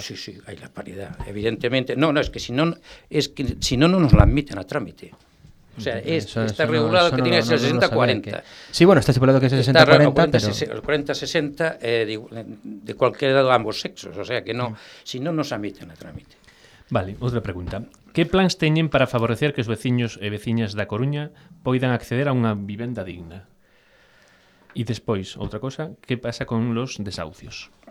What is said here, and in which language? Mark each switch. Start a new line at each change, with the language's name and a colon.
Spanish: Sí, sí, hay la paridad, evidentemente. No, es que si no nos la admiten a trámite. O sea, está regulado que tiene que ser 60-40. Sí, bueno, está estipulado que es 60-40, pero... El 40-60 de cualquier lado, ambos sexos, o sea que no, si no nos admiten a trámite. Vale, otra pregunta.
Galician: ¿Qué plans teñen para favorecer que os veciños e veciñas da Coruña poidan acceder a unha vivenda digna? E despois, outra cosa,
Spanish: ¿qué pasa con los desahucios?